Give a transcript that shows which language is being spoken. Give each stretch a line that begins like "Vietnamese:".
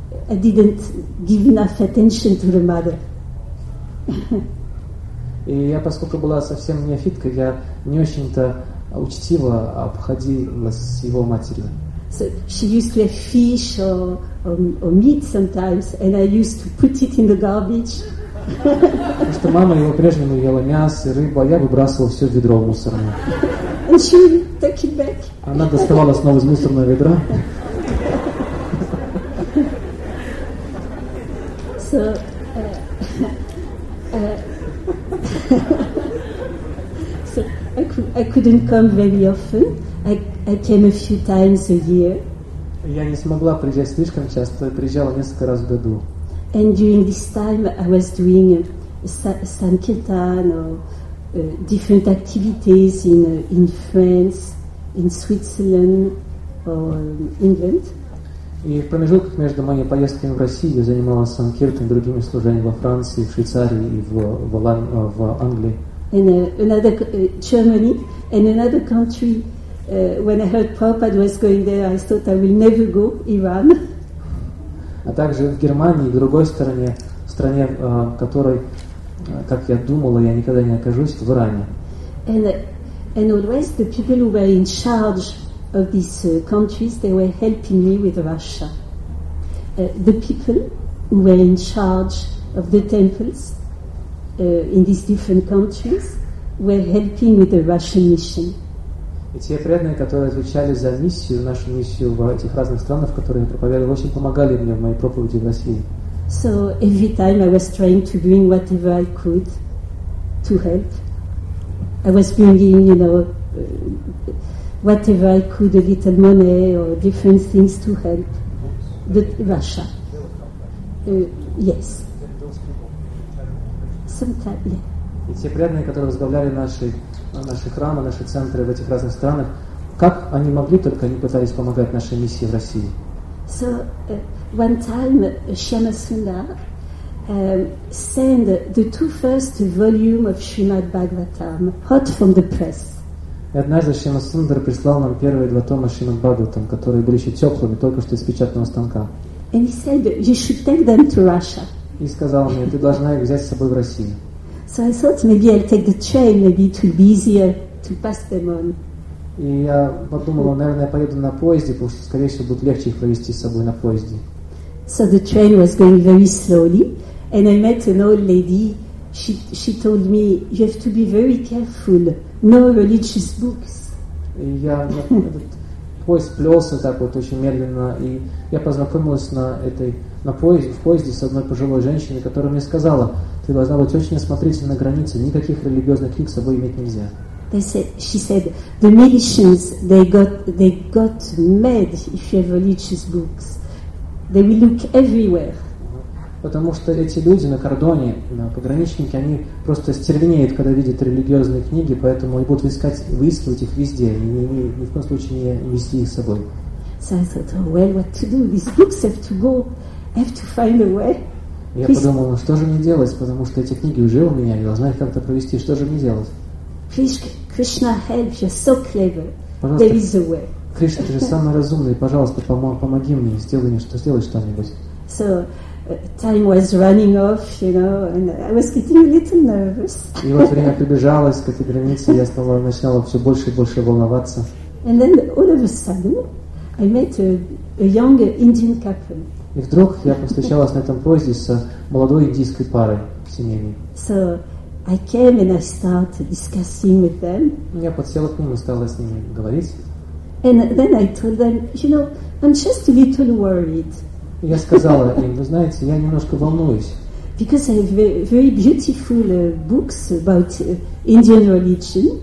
English: I didn't give enough attention to the mother.
Russian: И я, поскольку была совсем неофитка, я не очень-то учтиво обходилась с его матерью.
English: So she used to have fish or meat sometimes, and I used to put it in the garbage.
Russian: Потому что мама его прежнему ела мясо, рыбу, а я выбрасывала все в ведро мусорное.
English: And she would take it back.
Russian: Она доставала снова из мусорного ведра.
English: So, so I couldn't come very often. I came a few times a year.
Russian: Я не смогла приезжать слишком часто, я приезжала несколько раз в году.
English: And during this time I was doing sankirtan or different activities in France, in Switzerland or England.
Russian: И в промежутках между моими поездками в Россию я занималась санкиртаном, другими служениями во Франции, в Швейцарии и в Англии.
English: And another Germany and another country. When I heard Prabhupada was going there, I thought I will never go, Iran.
Russian: А также в Германии, в другой стороне, в стране, в которой, как я думала, я никогда не окажусь, в Иране.
English: And always the people who were in charge of these countries, they were helping me with Russia. The people who were in charge of the temples in these different countries were helping with the Russian mission.
Russian: И те преданные, которые отвечали за миссию, нашу миссию в этих разных странах, в которые я проповедовал, очень помогали мне в моей проповеди в России.
English: So every time I was trying to bring whatever I could to help. I was bringing, you know, whatever I could, a little money or different things to help Russia. Yes. Sometimes, yeah.
Russian: И те преданные, которые возглавляли наши храмы, наши центры в этих разных странах, как они могли, только они пытались помогать нашей миссии в России.
English: So, one time, Shyama Sundar sent the two first volume of Srimad Bhagavatam hot from the press.
Russian: И однажды Шьяма Сундар прислал нам первые два тома Шримад Бхагаватам, которые были еще теплыми, только что из печатного станка.
English: And he said, you should take them to Russia.
Russian: И сказал мне, ты должна их взять с собой в Россию.
English: So I thought maybe I'll take the train, maybe it will be easier to pass them on.
Russian: И я подумал, наверное, я поеду на поезде, потому что, скорее всего, будет легче их повезти с собой на поезде.
English: So the train was going very slowly, and I met an old lady. She told me, you have to be very careful. No religious books.
Russian: И я поезд плелся так вот очень медленно, и я познакомилась в поезде с одной пожилой женщиной, которая мне сказала. Ты должна быть очень осмотрительна на границе. Никаких религиозных книг с собой иметь нельзя.
English: She said, the missions they got mad if you have religious books. They will look everywhere.
Russian: Потому что эти люди на кордоне, на пограничники, они просто стервенеют, когда видят религиозные книги, поэтому они будут выискивать их везде, и ни в коем случае не вести их с собой.
English: So I thought, oh, well, what to do? These books have to go. I have to find a way.
Russian: Я подумал, ну что же мне делать, потому что эти книги уже у меня, я должна их как-то провести, что же мне делать?
English: Кришна, help, you're so clever.
Russian: Пожалуйста,
English: there is a way.
Russian: Кришна, ты же самый разумный, пожалуйста, помоги мне, сделай что-нибудь.
English: So, time was running off, you know, and I was getting a little nervous.
Russian: И вот время прибежалось к этой границе, я начала все больше и больше волноваться.
English: And then, all of a sudden, I met a young Indian couple.
Russian: И вдруг я повстречалась на этом поезде с молодой индийской парой семейной.
English: So I came and I started discussing with them.
Russian: Я подсела к ним и стала с ними говорить.
English: And then I told them, you know, I'm just a little worried.
Russian: Я сказала им, вы знаете, я немножко волнуюсь.
English: Because I have very beautiful books about Indian religion.